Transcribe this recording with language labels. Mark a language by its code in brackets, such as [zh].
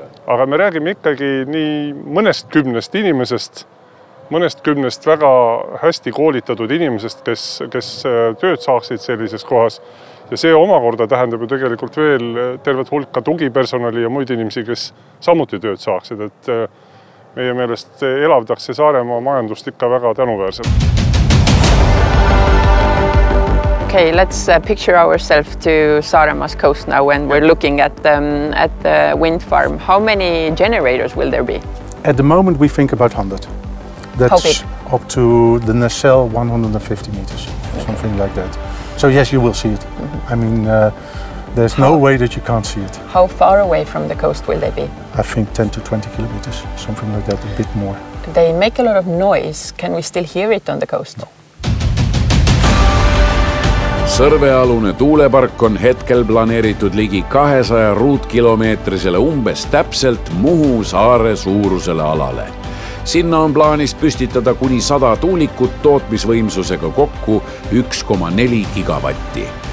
[et] Aga me räägime ikkagi nii mõnest kümnest inimesest, mõnest kümnest väga hästi koolitatud inimesest, kes tööd saaksid sellises kohas. Ja see omakorda tähendab ju tegelikult veel tervet hulka tugipersonali ja muid inimesi, kes samuti tööd saaksid. Et meie meelest elavdakse Saaremaa majandust ikka väga tänuväärselt. [en] Okay, let's picture ourselves to Saaremaa's coast now when we're looking at the wind farm. How many generators will there be? At the moment we think about 100. That's how big? Up to the nacelle 150 meters, something like that. So yes, you will see it. Mm-hmm. I mean, There's no way that you can't see it. How far away from the coast will they be? I think 10 to 20 kilometers, something like that, a bit more. They make a lot of noise. Can we still hear it on the coast? No. [et] Sõrvealune tuulepark on hetkel planeeritud ligi 200 ruutkilomeetrisele umbes täpselt Muhu saare suurusele alale. Sinna on plaanis püstitada kuni 100 tuulikut tootmisvõimsusega kokku 1,4 gigavatti.